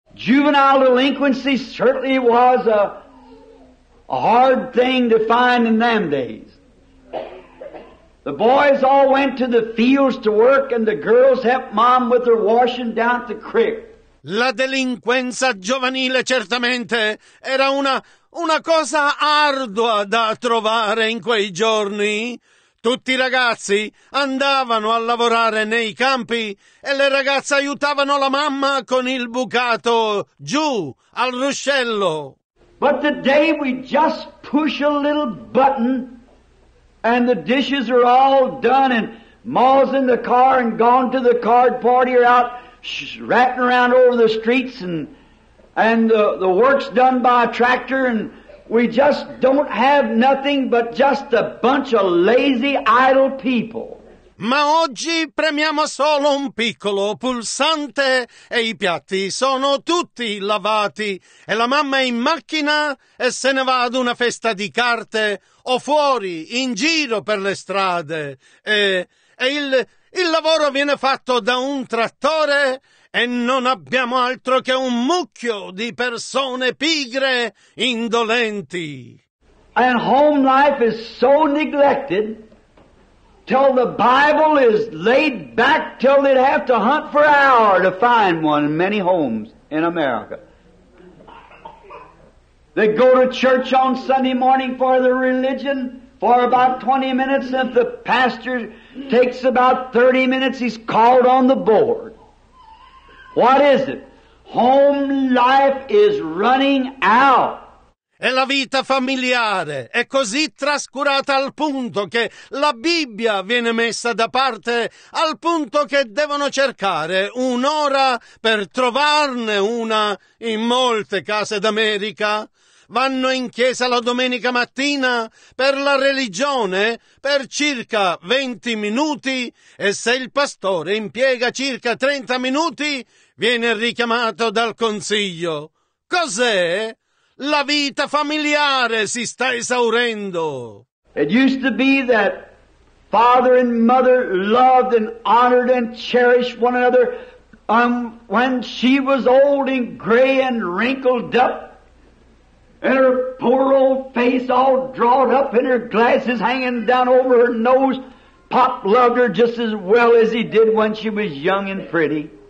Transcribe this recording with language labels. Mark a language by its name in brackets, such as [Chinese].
[English] Juvenile delinquency certainly was a hard thing to find in them days. The boys all went to the fields to work and the girls helped mom with her washing down at the creek. [Italian] La delinquenza giovanile certamente era una cosa ardua da trovare in quei giorni. Tutti i ragazzi andavano a lavorare nei campi e le ragazze aiutavano la mamma con il bucato giù al ruscello. [English] But the day we just push a little button and the dishes are all done and Ma's in the car and gone to the card party or out ratting around over the streets and the work's done by a tractor and we just don't have nothing but just a bunch of lazy, idle people. [Italian] Ma oggi premiamo solo un piccolo pulsante e i piatti sono tutti lavati e la mamma è in macchina e se ne va ad una festa di carte o fuori, in giro per le strade e il lavoro viene fatto da un trattore e non abbiamo altro che un mucchio di persone pigre, indolenti. [English] And home life is so neglected till the Bible is laid back till they'd have to hunt for an hour to find one in many homes in America. They go to church on Sunday morning for the religion for about 20 minutes and the pastor takes about 30 minutes, he's called on the board. What is it? Home life is running out. [Italian] E la vita familiare è così trascurata al punto che la Bibbia viene messa da parte, al punto che devono cercare un'ora per trovarne una in molte case d'America. vanno in chiesa la domenica mattina per la religione per circa 20 minuti e se il pastore impiega circa 30 minuti viene richiamato dal consiglio. Cos'è? La vita familiare si sta esaurendo. [English] It used to be that father and mother loved and honored and cherished one another. When she was old and gray and wrinkled up, and her poor old face all drawn up and her glasses hanging down over her nose, Pop loved her just as well as he did when she was young and pretty.